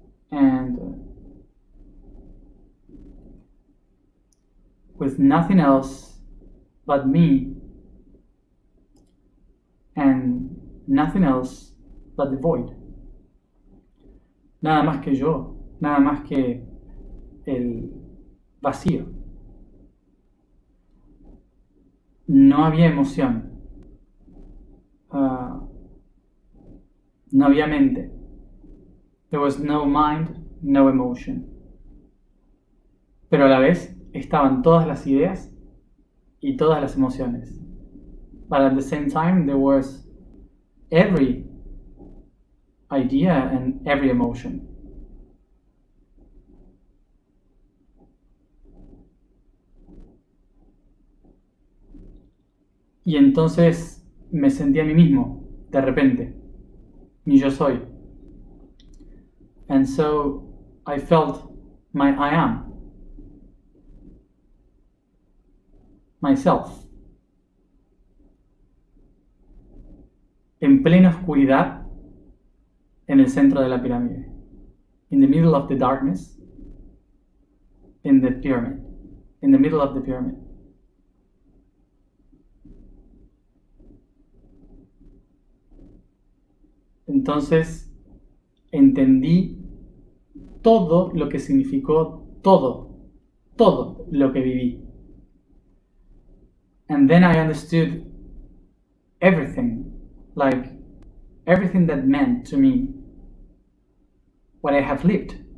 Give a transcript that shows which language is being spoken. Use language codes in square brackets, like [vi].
[en] And with nothing else but me, and nothing else but the void. [es] Nada más que yo, nada más que el vacío. No había emoción. No había mente. [en] There was no mind, no emotion. [es] Pero a la vez estaban todas las ideas y todas las emociones. [en] But at the same time, there was every idea and every emotion. [es] Y entonces me sentí a mí mismo, de repente. Mi yo soy. [en] And so I felt my I am. Myself. [es] En plena oscuridad, en el centro de la pirámide. [en] In the middle of the darkness, in the pyramid. In the middle of the pyramid. [es] Entonces, entendí todo lo que significó todo, todo lo que viví. [en] And then I understood everything, like everything that meant to me, what I have lived.